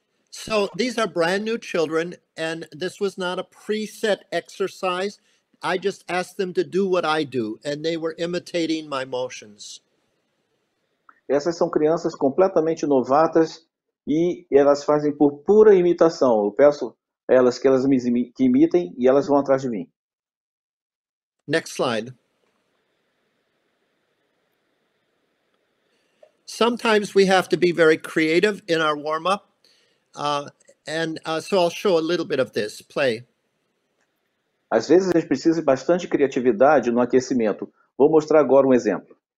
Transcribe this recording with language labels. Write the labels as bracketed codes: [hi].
[en] So these are brand new children, and this was not a preset exercise. I just asked them to do what I do, and they were imitating my motions. [pt] Essas são crianças completamente novatas e elas fazem por pura imitação. Eu peço a elas que elas me imitem e elas vão atrás de mim. [en] Next slide. Sometimes we have to be very creative in our warm-up. So I'll show a little bit of this. Play. [pt] Às vezes a gente precisa de bastante criatividade no aquecimento. Vou mostrar agora um exemplo.